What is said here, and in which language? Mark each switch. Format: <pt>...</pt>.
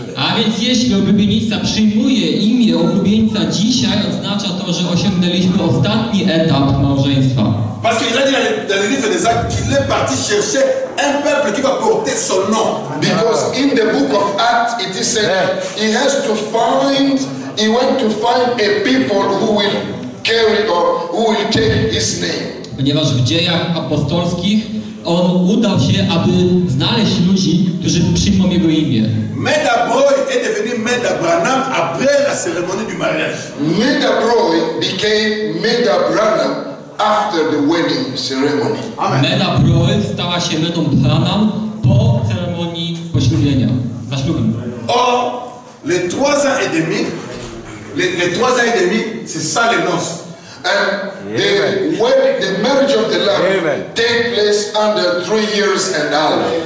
<pl>A więc jeśli oblubienica przyjmuje imię oblubienica dzisiaj, oznacza to, że osiągnęliśmy ostatni etap małżeństwa.</pl> <fr>Parce qu'il a dit dans le livre des Actes qu'il est parti chercher un peuple qui va porter son nom.</fr> <en>Because in the book of Acts it is said he has to find, he went to find a people who will carry or who will take his name.</en> <pl>Ponieważ w dziejach apostolskich on udał się, aby znaleźć ludzi, którzy przyjmą jego imię.</pl> <fr>Medaboy est devenu Medabranam après la cérémonie du mariage.</fr> <en>Medaboy became Medabranam after the wedding ceremony.</en> <pl>Medaboy stała się Medabranam po ceremonii poślubienia, za ślubem.</pl> <fr>Or, les trois ans et demi, les trois ans et demi, c'est ça les noces.</fr> <en>And the wedding, the marriage of the Lamb, take place under 3 years and a half.</en>